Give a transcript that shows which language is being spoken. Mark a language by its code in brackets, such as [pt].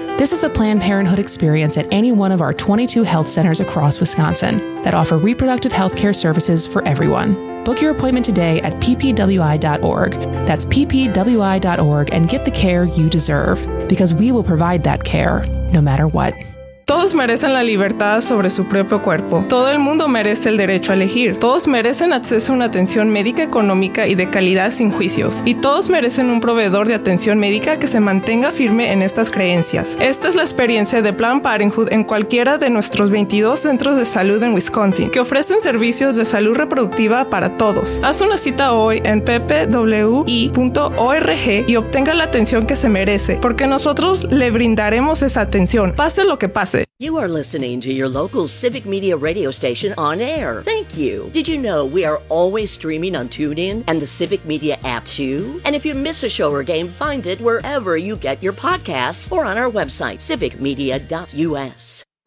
[en] This is the Planned Parenthood experience at any one of our 22 health centers across Wisconsin that offer reproductive healthcare services for everyone. Book your appointment today at ppwi.org. That's ppwi.org, and get the care you deserve, because we will provide that care no matter what. [es] Todos merecen la libertad sobre su propio cuerpo. Todo el mundo merece el derecho a elegir. Todos merecen acceso a una atención médica económica y de calidad sin juicios. Y todos merecen un proveedor de atención médica que se mantenga firme en estas creencias. Esta es la experiencia de Planned Parenthood en cualquiera de nuestros 22 centros de salud en Wisconsin, que ofrecen servicios de salud reproductiva para todos. Haz una cita hoy en ppwi.org y obtenga la atención que se merece, porque nosotros le brindaremos esa atención, pase lo que pase. [en] You are listening to your local Civic Media radio station on air. Thank you. Did you know we are always streaming on TuneIn and the Civic Media app too? And if you miss a show or game, find it wherever you get your podcasts or on our website, civicmedia.us.